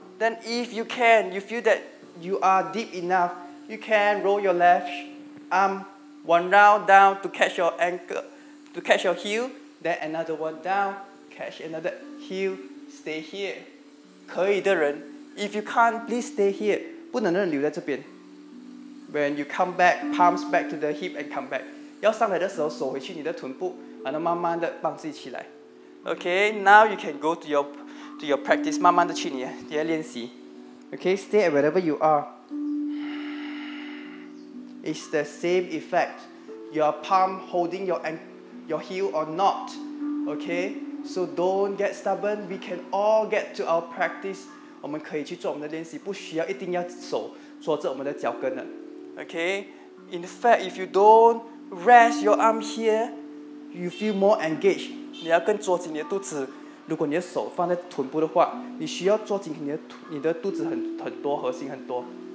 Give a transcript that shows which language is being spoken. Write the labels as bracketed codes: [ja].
[en] Then if you can, you feel that you are deep enough, you can roll your left arm one round down to catch your ankle, to catch your heel. Then another one down, catch another heel. Stay here. [zh] 可以的人 [en] ，if you can't, please stay here. [zh] 不能的人留在这边。 [en] When you come back, palms back to the hip and come back. [zh] 要上来的时候，手回去你的臀部，然后慢慢的帮自己起来。 [en] Okay, now you can go to your practice. [zh] 慢慢的去你的练习。 [en] Okay, stay at wherever you are. It's the same effect. Your palm holding your heel or not. Okay, so don't get stubborn. We can all get to our practice. [zh] 我们可以去做我们的练习，不需要一定要手坐着我们的脚跟的。 [en] Okay, in fact, if you don't rest your arm here, you feel more engaged. [zh] 你要更坐紧你的肚子。如果你的手放在臀部的话，你需要坐紧你的肚子很多，核心很多。